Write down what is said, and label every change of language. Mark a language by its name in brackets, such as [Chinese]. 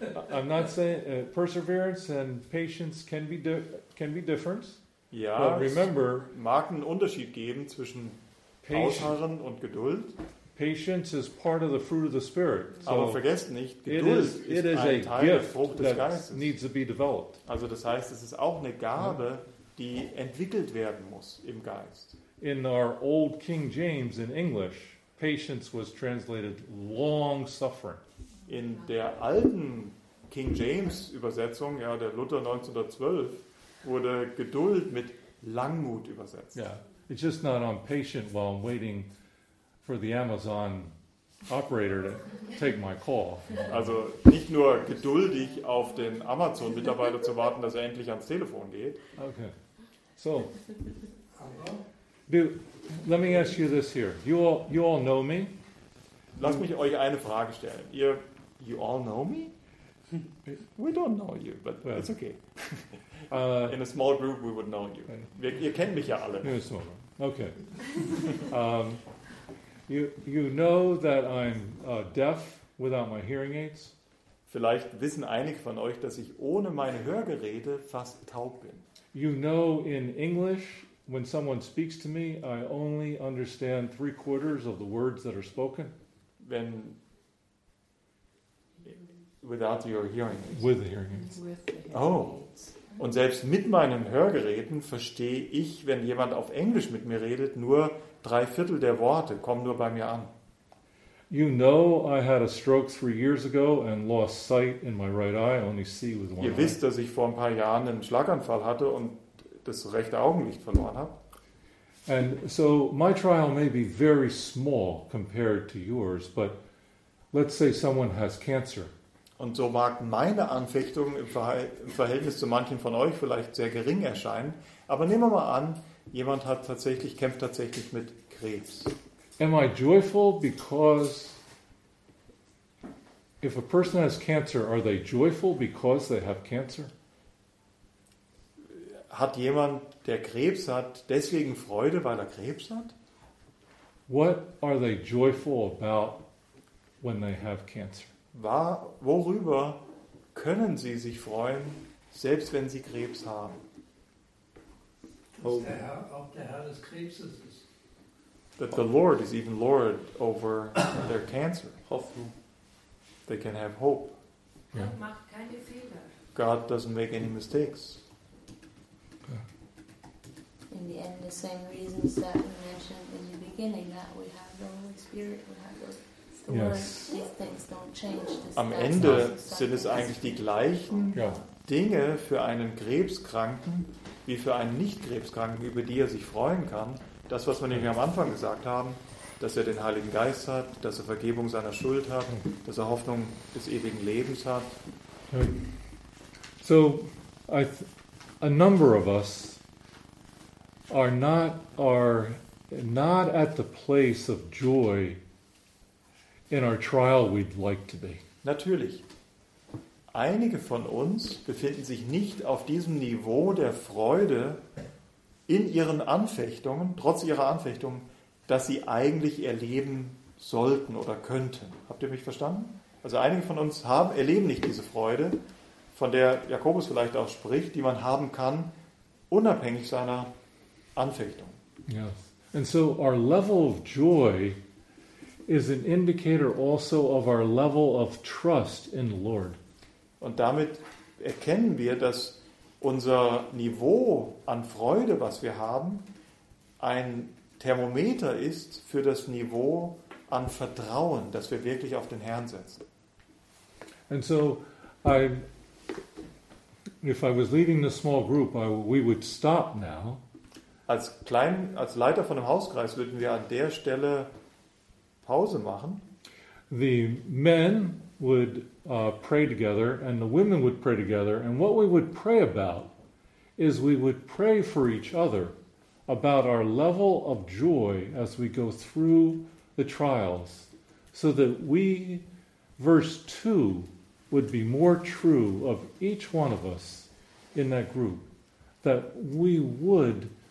[English] I'm not saying perseverance and patience can be different. [German] Ja, [English] but remember, [German] es mag einen Unterschied geben zwischen Ausharren und Geduld. [English] Patience is part of the fruit of the Spirit. [German] So aber vergesst nicht, Geduld ist ein Teil der Frucht des Geistes. [English] Needs to be developed. [German] Also das heißt, es ist auch eine Gabe, die entwickelt werden muss im Geist. [English] In our old King James in English, patience was translated long suffering. [German] In der alten King James Übersetzung, ja, der Luther 1912, wurde Geduld mit Langmut übersetzt. [English] Yeah, it's just not I'm patient while I'm waiting for the Amazon operator to take my call. [German] Also nicht nur geduldig auf den Amazon-Mitarbeiter zu warten, dass er endlich ans Telefon geht. [English] Okay, so. Let me ask you this here. You all know me. [German] Lass mich euch eine Frage stellen. [English] You all know me? We don't know you, but it's okay. In a small group, we would know you. [German] Ihr kennt mich ja alle. [English] Okay. You know that I'm deaf without my hearing aids. Vielleicht wissen einige von euch, dass ich ohne meine Hörgeräte fast taub bin. You know, in English, when someone speaks to me, I only understand 3/4 of the words that are spoken. Wenn without your hearing aids. With the hearing aids. Oh. [German] Und selbst mit meinen Hörgeräten verstehe ich, wenn jemand auf Englisch mit mir redet, nur 3/4 der Worte kommen nur bei mir an. [English] You know, I had a stroke 3 years ago and lost sight in my right eye, only see with one eye. [German] Ihr wisst, dass ich vor ein paar Jahren einen Schlaganfall hatte und das rechte Augenlicht verloren habe. [English] And so my trial may be very small compared to yours, but let's say someone has cancer. [German] Und so mag meine Anfechtung im Verhältnis zu manchen von euch vielleicht sehr gering erscheinen, aber nehmen wir mal an, jemand hat tatsächlich kämpft tatsächlich mit Krebs. [English] Am I joyful because if a person has cancer, are they joyful because they have cancer? [German] Hat jemand, der Krebs hat, deswegen Freude, weil er Krebs hat? [English] What are they joyful about when they have cancer? [German] Worüber können sie sich freuen, selbst wenn sie Krebs haben? Dass der Herr auch der Herr des Krebses ist. [English] That the Lord is even Lord over their cancer. [German] Hoffnung. [English] They can have hope. [German] Yeah. God macht keine Fehler. [English] God doesn't make any mistakes. In the end, the same reasons that we mentioned in the beginning, that we have the Holy Spirit, we have the yes. Word, these things don't change. [German] Am Ende sind es eigentlich die gleichen Dinge für einen Krebskranken wie für einen Nicht-Krebskranken, über die er sich freuen kann. Das, was wir nämlich am Anfang gesagt haben, dass er den Heiligen Geist hat, dass er Vergebung seiner Schuld hat, dass er Hoffnung des ewigen Lebens hat. So, a number of us are not at the place of joy in our trial we'd like to be. Natürlich. Einige von uns befinden sich nicht auf diesem Niveau der Freude, in ihren Anfechtungen, trotz ihrer Anfechtungen, dass sie eigentlich erleben sollten oder könnten. Habt ihr mich verstanden? Also einige von uns erleben nicht diese Freude, von der Jakobus vielleicht auch spricht, die man haben kann, unabhängig seiner Anfechtung. [English] Yes. And so our level of joy is an indicator also of our level of trust in the Lord. [German] Und damit erkennen wir, dass unser Niveau an Freude, was wir haben, ein Thermometer ist für das Niveau an Vertrauen, das wir wirklich auf den Herrn setzen. [English] And so, if I was leading the small group, we would stop now. [German] Als Leiter von einem Hauskreis würden wir an der Stelle Pause machen. [English] The men would pray together and the women would pray together, and what we would pray about is we would pray for each other about our level of joy as we go through the trials, so that we, verse 2, would be more true of each one of us in that group, that we would